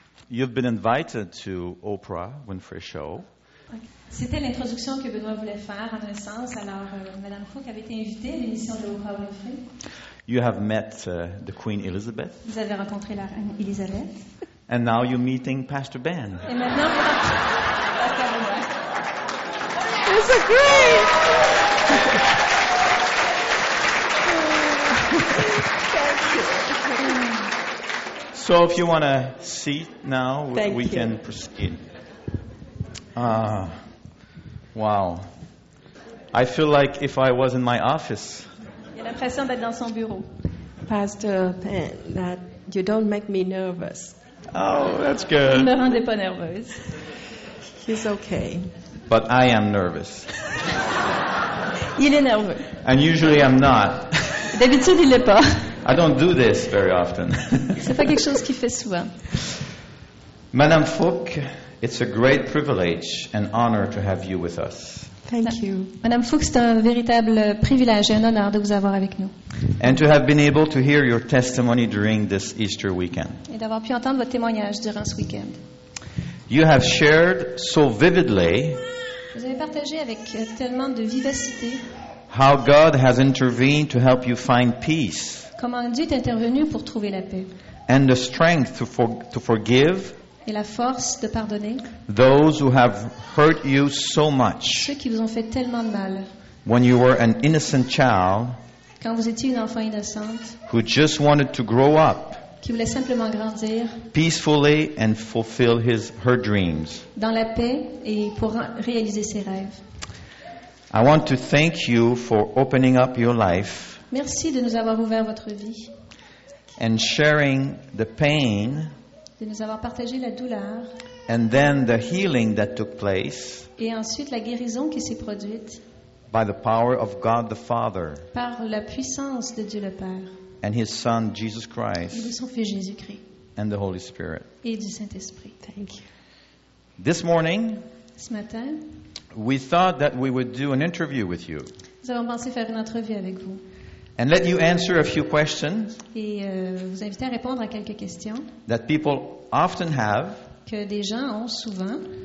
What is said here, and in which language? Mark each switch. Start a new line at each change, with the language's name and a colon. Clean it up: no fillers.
English: You've been invited to Oprah Winfrey Show.
French: C'était l'introduction que Benoît voulait faire, en un sens. Alors, Madame Cook avait été invitée à l'émission de Oprah Winfrey.
English: You have met the Queen Elizabeth.
French: Vous avez rencontré la reine Elizabeth.
English: And now you're meeting Pastor Ben.
French: Et maintenant, Pastor Ben.
English: It's a great. So if you want a seat now, we can proceed. Wow. I feel like if I was in my office.
French: J'ai l'impression d'être dans son bureau.
English: Pastor Penn, that you don't make me nervous. Oh, that's good.
French: Ne me rendez pas nerveuse.
English: He's okay. But I am nervous.
French: Il est nerveux.
English: And usually I'm not.
French: D'habitude, il l'est pas.
English: I don't do this very often.
French: C'est pas quelque chose qu'il fait souvent.
English: Madame Fouque, it's a great privilege and honor to have you with us. Thank you.
French: Madame Fouque, c'est un véritable privilège et un honneur de vous avoir avec nous.
English: And to have been able to hear your testimony during this Easter weekend.
French: Et d'avoir pu entendre votre témoignage durant ce weekend.
English: You have shared so vividly.
French: Vous avez partagé avec tellement de vivacité.
English: How God has intervened to help you find peace.
French: Comment Dieu est intervenu pour trouver la paix.
English: And the strength to forgive.
French: Et la force de pardonner.
English: Those who have hurt you so much.
French: Ceux qui vous ont fait tellement de mal.
English: When you were an innocent child.
French: Quand vous étiez une enfant innocente.
English: Who just wanted to grow up.
French: Qui voulait simplement grandir.
English: Peacefully and fulfill his her dreams.
French: Dans la paix et pour réaliser ses rêves.
English: I want to thank you for opening up your life.
French: Merci de nous avoir ouvert votre vie.
English: And sharing the pain.
French: De nous avoir partagé la douleur.
English: And then the healing that took place.
French: Et ensuite la guérison qui s'est produite.
English: By the power of God the Father.
French: Par la puissance de Dieu le Père.
English: And his son Jesus Christ.
French: Et de son fils Jésus-Christ.
English: And the Holy Spirit.
French: Et du Saint-Esprit.
English: Thank you. This morning.
French: Ce matin.
English: We thought that we would do an interview with you.
French: Nous avons pensé faire une entrevue avec vous.
English: And let you answer a few questions.
French: Et vous inviter à répondre à quelques questions.
English: That people often have.
French: Que des gens ont souvent.